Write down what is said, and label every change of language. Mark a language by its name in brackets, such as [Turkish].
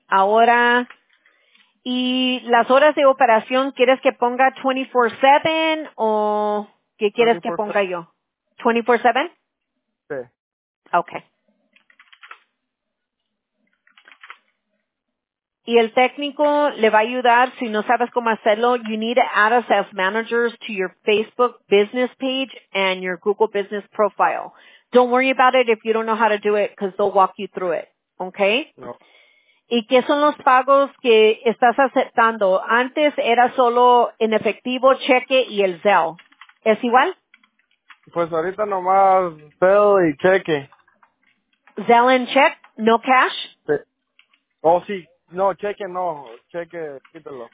[Spanish] Ahora, ¿y las horas de operación quieres que ponga 24/7 o qué quieres que ponga yo? 24/7? Sí. [English] Okay. [Spanish] Y el técnico le va a ayudar si no sabes cómo hacerlo. [English] You need to add us as managers to your Facebook business page and your Google business profile. Don't worry about it if you don't know how to do it because they'll walk you through it. Okay? [Spanish] No. ¿Y qué son los pagos que estás aceptando? Antes era solo en efectivo, cheque y el Zelle. ¿Es igual? Pues ahorita nomás Zelle y cheque. [English] Zelle and check? No cash? [Spanish] Sí. Oh, sí. No, cheque no, cheque, quítalo.